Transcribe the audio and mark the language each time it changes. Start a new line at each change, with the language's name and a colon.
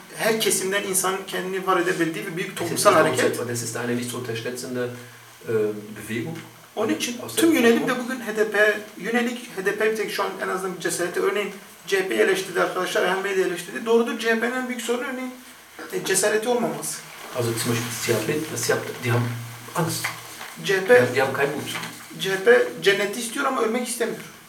Turkish: Her kesimden insan kendini var edebildiği bir büyük toplumsal hareket.
German: Das ist eine nicht unterstützende Bewegung.
Turkish: Onun için tüm yönelim de bugün HDP yönelik. HDP bir tek şu an en azından bir cesareti. Örneğin CHP eleştirdi arkadaşlar, Erhan Bey de eleştirdi. Doğrudur, CHP'nin en büyük sorunu örneğin cesareti olmaması.
German: Also zum Beispiel CHP, was sie haben, die haben Angst. CHP, die haben keinen Mut.
Turkish: CHP cenneti istiyor ama ölmek istemiyor.